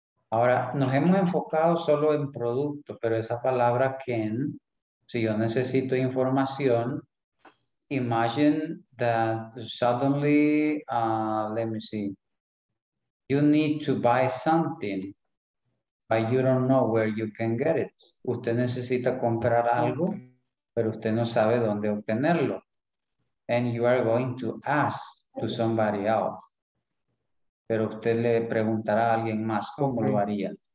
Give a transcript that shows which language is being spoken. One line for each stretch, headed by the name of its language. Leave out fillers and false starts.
Spanish: Ahora, nos hemos enfocado solo en producto, pero esa palabra can. Si yo necesito información,
English: imagine that suddenly, let me see, you need to buy something, but you don't know where you can get it.
Spanish: Usted necesita comprar algo, pero usted no sabe dónde obtenerlo.
English: And you are going to ask to somebody else.
Spanish: Pero usted le preguntará a alguien más cómo lo haría.